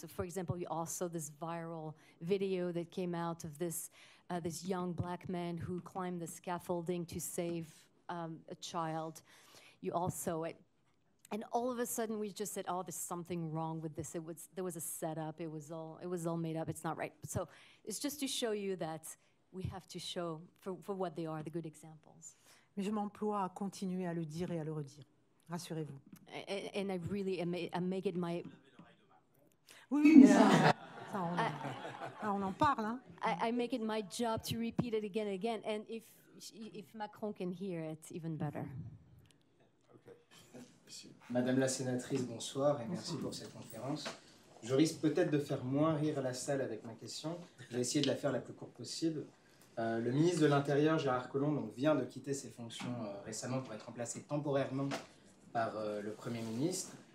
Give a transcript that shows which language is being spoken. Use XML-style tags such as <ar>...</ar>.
<en>So, for example, you also this viral video that came out of this young black man who climbed the scaffolding to save a child. You also and all of a sudden we just said, oh, there's something wrong with this. There was a setup. It was all made up. It's not right. So it's just to show you that. We have to show for what they are, the good examples.</en> <fr>Mais je m'emploie à continuer à le dire et à le redire. Rassurez-vous.</fr> <en>And I really am make it my.</en> <fr>Oui, oui, mais ça, on en parle. Hein.</fr> <en>I make it my job to repeat it again and again. And if Macron can hear it, even better. Okay.</en> <fr>Madame la sénatrice, bonsoir et merci pour cette conférence. Je risque peut-être de faire moins rire la salle avec ma question. Je vais essayer de la faire la plus courte possible. Le ministre de l'Intérieur, Gérard Collomb, donc, vient de quitter ses fonctions récemment pour être remplacé temporairement par le Premier ministre.</fr>